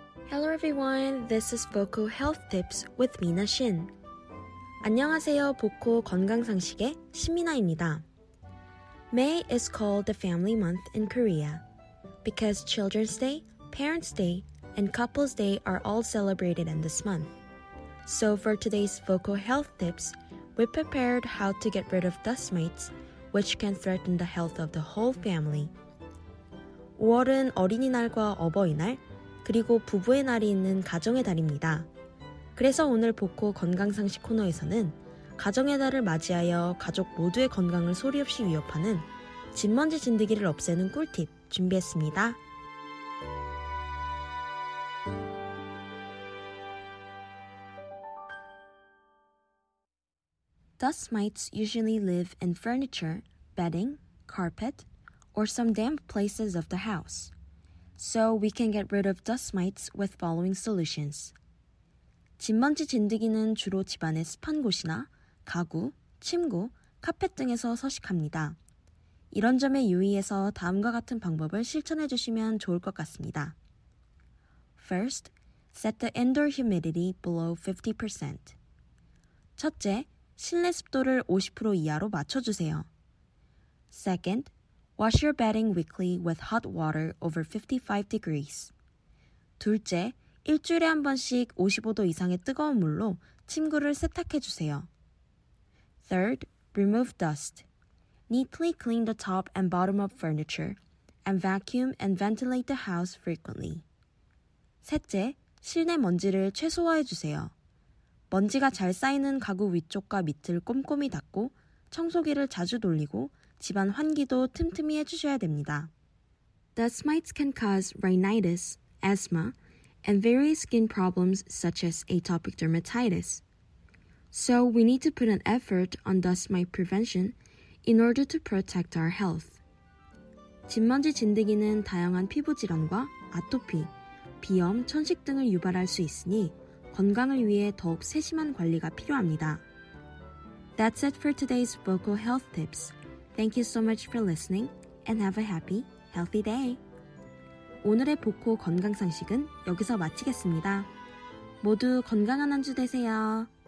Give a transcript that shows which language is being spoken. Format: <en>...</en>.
<en>Everyone, this is Boku Health Tips with Mina Shin.</en> <ko>안녕하세요, 보코 건강상식의 신미나입니다.</ko> <en>May is called the family month in Korea because Children's Day, Parents' Day, and Couples' Day are all celebrated in this month. So for today's Boku Health Tips, we prepared how to get rid of dust mites, which can threaten the health of the whole family.</en> <ko>5월은 어린이날과 어버이날, 그리고 부부의 날이 있는 가정의 달입니다. 그래서 오늘 보코 건강상식 코너에서는 가정의 달을 맞이하여 가족 모두의 건강을 소리 없이 위협하는 집먼지 진드기를 없애는 꿀팁 준비했습니다.</ko> <en>'Dust mites usually live in furniture, bedding, carpet, or some damp places of the house.' So we can get rid of dust mites with following solutions.</en> <ko>집먼지 진드기는 주로 집안의 습한 곳이나 가구, 침구, 카펫 등에서 서식합니다. 이런 점에 유의해서 다음과 같은 방법을 실천해 주시면 좋을 것 같습니다.</ko> <en>First, set the indoor humidity below 50%.</en> <ko>첫째, 실내 습도를 50% 이하로 맞춰주세요.</ko> <en>Second, wash your bedding weekly with hot water over 55 degrees.</en> <ko>둘째, 일주일에 한 번씩 55도 이상의 뜨거운 물로 침구를 세탁해 주세요.</ko> <en>Third, remove dust. Neatly clean the top and bottom of furniture and vacuum and ventilate the house frequently.</en> <ko>셋째, 실내 먼지를 최소화해 주세요. 먼지가 잘 쌓이는 가구 위쪽과 밑을 꼼꼼히 닦고 청소기를 자주 돌리고 집안 환기도 틈틈이 해주셔야 됩니다.</ko> <en>Dust mites can cause rhinitis, asthma, and various skin problems such as atopic dermatitis. So we need to put an effort on dust mite prevention in order to protect our health.</en> <ko>집먼지 진드기는 다양한 피부 질환과 아토피, 비염, 천식 등을 유발할 수 있으니 건강을 위해 더욱 세심한 관리가 필요합니다.</ko> <en>That's it for today's vocal health tips. Thank you so much for listening and have a happy, healthy day.</en> <ko>오늘의 보코 건강 상식은 여기서 마치겠습니다. 모두 건강한 한 주 되세요.</ko>